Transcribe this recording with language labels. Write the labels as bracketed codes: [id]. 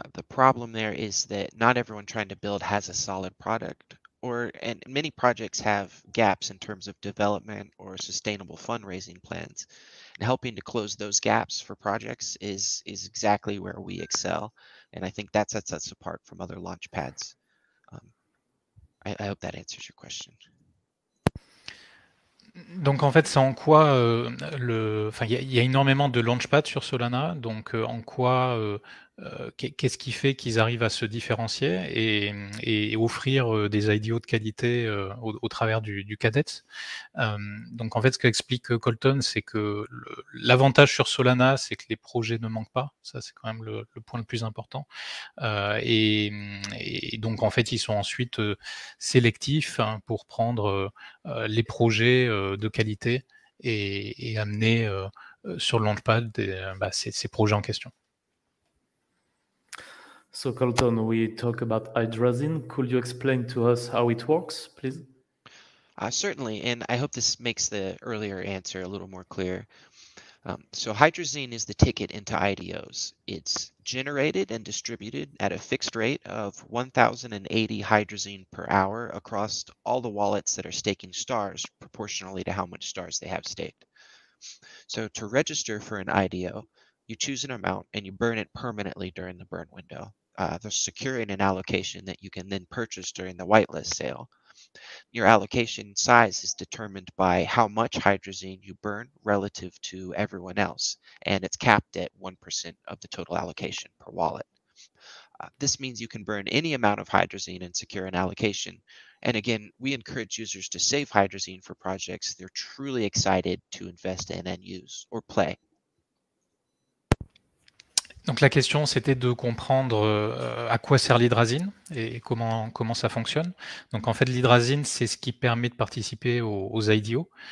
[en] The problem there is that not everyone trying to build has a solid product, and many projects have gaps in terms of development or sustainable fundraising plans. And helping to close those gaps for projects is exactly where we excel. And I think that sets us apart from other launch pads. I hope that answers your question. [fr] Donc en fait, c'est en quoi il y a énormément de launchpads sur Solana. Donc en quoi Qu'est-ce qui fait qu'ils arrivent à se différencier et offrir des IDO de qualité au travers du Cadet. Donc en fait, ce qu'explique Colton, c'est que l'avantage sur Solana, c'est que les projets ne manquent pas. Ça, c'est quand même le point le plus important. Et donc en fait, ils sont ensuite sélectifs pour prendre les projets de qualité et amener sur le launchpad ces projets en question. [en] So, Colton, we talk about Hydrazine. Could you explain to us how it works, please? Certainly, and I hope this makes the earlier answer a little more clear. So, Hydrazine is the ticket into IDOs. It's generated and distributed at a fixed rate of 1,080 Hydrazine per hour across all the wallets that are staking stars proportionally to how much stars they have staked. So, to register for an IDO, you choose an amount and you burn it permanently during the burn window. They're securing an allocation that you can then purchase during the whitelist sale. Your allocation size is determined by how much Hydrazine you burn relative to everyone else, and it's capped at 1% of the total allocation per wallet. This means you can burn any amount of Hydrazine and secure an allocation. And again, we encourage users to save Hydrazine for projects they're truly excited to invest in and use or play. [fr] Donc la question, c'était de comprendre à quoi sert l'hydrazine et comment ça fonctionne. Donc en fait, l'hydrazine, c'est ce qui permet de participer aux IDO.